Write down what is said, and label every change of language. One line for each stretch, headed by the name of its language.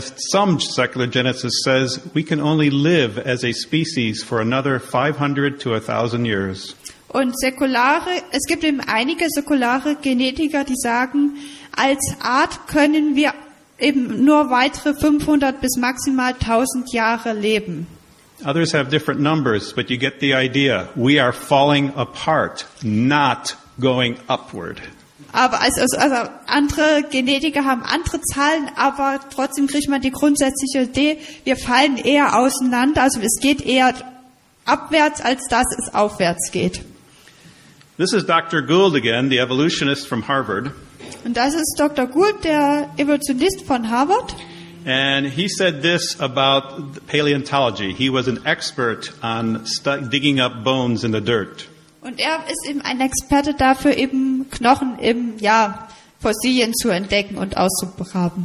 English: Some secular geneticist says we can only live as a species for another 500 to 1000 years.
German: Und es gibt eben einige säkulare Genetiker, die sagen, als Art können wir eben nur weitere 500 bis maximal 1000 Jahre leben.
English: Others have different numbers, but you get the idea. We are falling apart, not going upward.
German: Aber also andere Genetiker haben andere Zahlen, aber trotzdem kriegt man die grundsätzliche Idee, wir fallen eher auseinander, also es geht eher abwärts, als dass es aufwärts geht.
English: This is Dr. Gould again, the evolutionist from Harvard.
German: Und das ist Dr. Gould, der Evolutionist von Harvard.
English: And he said this about paleontology. He was an expert on digging up bones in the dirt.
German: Und er ist eben ein Experte dafür, eben Knochen im Fossilien zu entdecken und auszugraben.